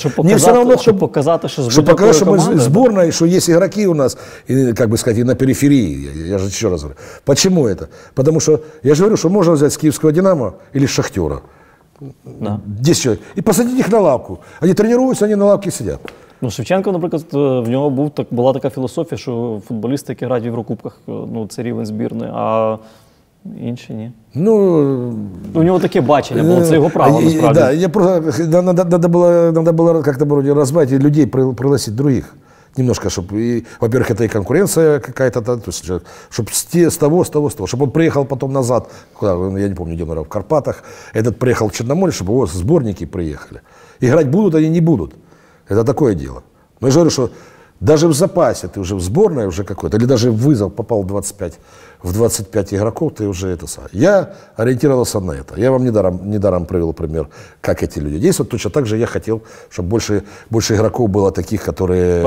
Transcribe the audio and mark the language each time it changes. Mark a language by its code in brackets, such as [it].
[ru] Чтобы показать, все равно, чтобы показать, что сборная. Чтобы показать, что мы сборная, да? И что есть игроки у нас, и, как бы сказать, и на периферии. Я же еще раз говорю. Почему это? Потому что я же говорю, что можно взять с киевского «Динамо» или «Шахтера». Да. 10 человек. И посадить их на лавку. Они тренируются, они на лавке сидят. [uk] Ну, Шевченко, наприклад, в нього був, так, була така філософія, що футболісти, які грають в Єврокубках, ну, це рівень збірної, а інші – ні. Ну, у нього таке бачення було, це його право, насправді. [ru] Да, я просто, надо було как-то вроде розбавити людей, пригласити других. [uk] Немножко, щоб, во-первых, це і конкуренція якась, щоб з того, щоб він приїхав потім назад, куди, я не пам'ятаю, де він, в Карпатах, этот приїхав в Чорноморі, щоб його зборники приїхали. І грати будуть, вони не будуть. [ru] Это такое дело. Но я же говорю, что даже в запасе ты уже в сборной уже какой-то, или даже в вызов попал в 25 игроков, ты уже это самое. Я ориентировался на это. Я вам недаром привел пример, как эти люди действуют. Точно так же я хотел, чтобы больше игроков было таких, которые...